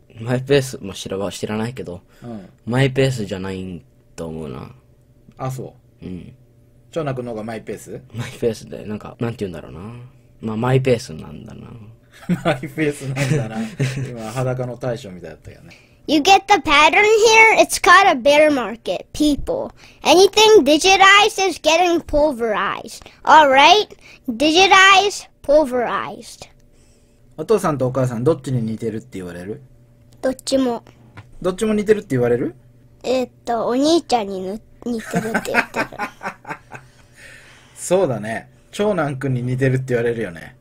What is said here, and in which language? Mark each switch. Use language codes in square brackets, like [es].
[ja] マイペースも知らないけど、うん、マイペースじゃないと思うな。あ、そう。うん。長男くんの方がマイペース？マイペースで、なんか、なんて言うんだろうな。まあ、マイペースなんだな。マイペースなんだな。今、裸の大将みたいだったよね。 [en] You get the pattern here? It's called a bear market, people. Anything digitized is getting pulverized. Alright? Digitized, pulverized. [ja] お父さんとお母さん、どっちに似てるって言われる？どっちも。どっちも似てるって言われる？お兄ちゃんに似てるって言ってる。そうだね。長男くんに似てるって言われるよね。